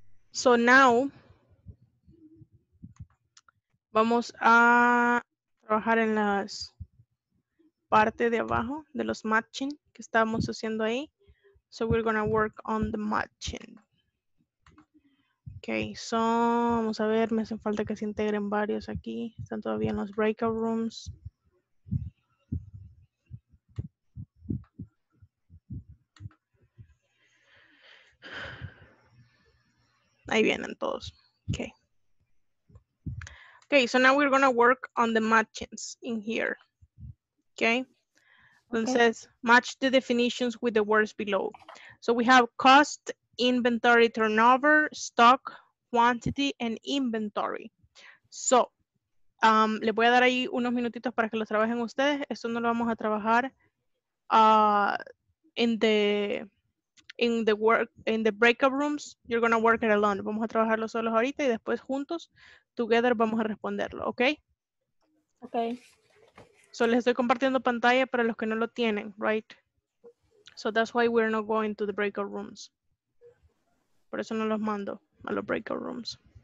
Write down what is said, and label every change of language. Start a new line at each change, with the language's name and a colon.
Spanish: So now, vamos a trabajar en las partes de abajo de los matching que estábamos haciendo ahí.
English: So we're going to work on the matching.
Spanish: Okay, so vamos a ver, me hacen falta que se integren varios aquí. Están todavía en los breakout rooms. Ahí vienen todos. Okay.
English: Okay, so now we're going to work on the matchings in here. Okay. Entonces, okay. Match the definitions with the words below. So we have cost, inventory, turnover, stock, quantity, and inventory.
Spanish: So, le voy a dar ahí unos minutitos para que lo trabajen ustedes. Esto no lo vamos a trabajar
English: in the breakout rooms, you're gonna work it alone.
Spanish: Vamos a trabajarlo solos ahorita y después juntos, together, vamos a responderlo, okay?
English: Okay.
Spanish: So les estoy compartiendo pantalla para los que no lo tienen, right?
English: So that's why we're not going to the breakout rooms.
Spanish: Por eso no los mando a los breakout rooms.